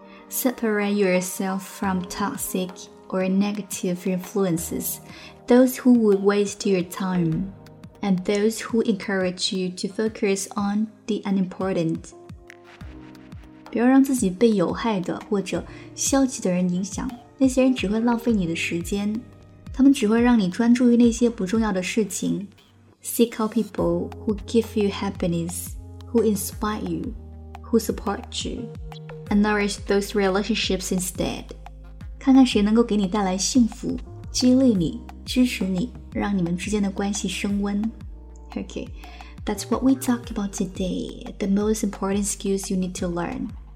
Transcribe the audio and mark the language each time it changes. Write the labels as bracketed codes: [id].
[en] Separate yourself from toxic or negative influences， those who would waste your time， and those who encourage you to focus on the unimportant。 [zh] 不要让自己被有害的或者消极的人影响，那些人只会浪费你的时间，他们只会让你专注于那些不重要的事情。 [en] Seek out people who give you happiness, who inspire you, who support you, and nourish those relationships instead. [zh] 看看谁能够给你带来幸福，激励你，支持你，让你们之间的关系升温。 [en] OKThat's what we talk about today, the most important skills you need to learn.